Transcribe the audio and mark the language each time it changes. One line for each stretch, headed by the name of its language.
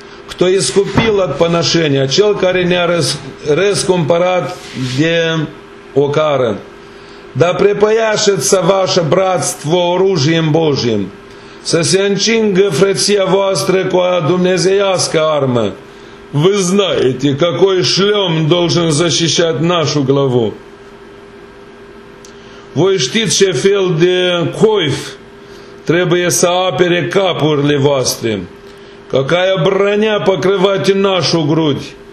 Russian: Кто искупил от поношения,
Romanian: acel care ne-a răscumpărat de ocară.
Russian: Да препояшется ваше братство оружием Божиим.
Romanian: Să se încingă frăția voastră cu a dumnezeiască armă.
Russian: Вы знаете, какой шлем должен защищать нашу главу.
Romanian: Voi știți ce fel de coif trebuie să apere capurile voastre.
Russian: Какая броня покрывать нашу грудь.